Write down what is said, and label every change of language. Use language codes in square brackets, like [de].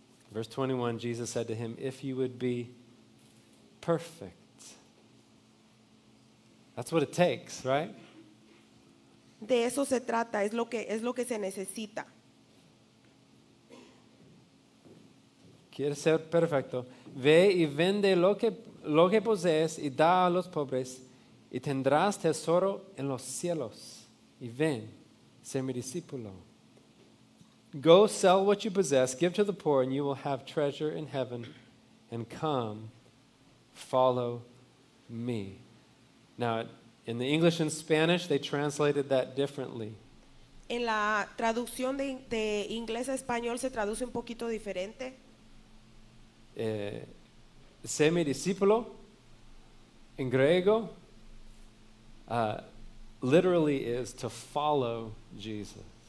[en] Verse 21, Jesus said to him, if you would be perfect. That's what it takes, right? [es] De eso se trata, es lo que se necesita. Quieres ser perfecto. Ve y vende lo que posees y da a los pobres y tendrás tesoro en los cielos. Y ven, sé mi discípulo. [en] Go sell what you possess, give to the poor, and you will have treasure in heaven, and come, follow me. Now, in the English and Spanish, they translated that differently. [es] En la traducción de inglés a español se traduce un poquito diferente. Sé mi discípulo, en griego, [en] literally is to follow Jesus.